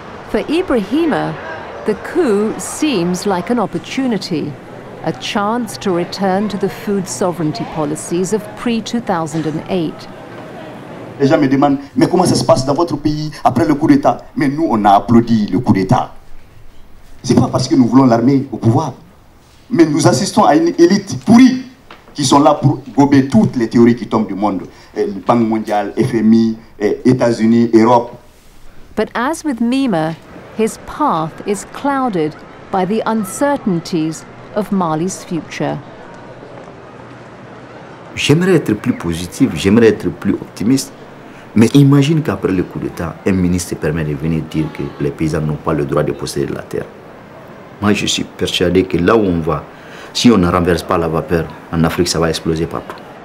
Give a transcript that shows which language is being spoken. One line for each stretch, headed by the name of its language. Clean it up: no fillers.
English: For Ibrahima, the coup seems like an opportunity, a chance to return to the food sovereignty policies of pre-2008.
French: Les gens me demandent, mais comment ça se passe dans votre pays après le coup d'État? Mais nous, on a applaudi le coup d'État. C'est pas parce que nous voulons l'armée au pouvoir, mais nous assistons à une élite pourrie qui sont là pour gober toutes les théories qui tombent du monde. Banque mondiale, FMI, États-Unis, Europe.
English: But as with Mima, his path is clouded by the uncertainties of Mali's future.
French: J'aimerais être plus positif, j'aimerais être plus optimiste. Mais imagine qu'après le coup d'État, un ministre se permet de venir dire que les paysans n'ont pas le droit de posséder la terre. Moi, je suis persuadé que là où on va, si on ne renverse pas la vapeur, en Afrique, ça va exploser partout.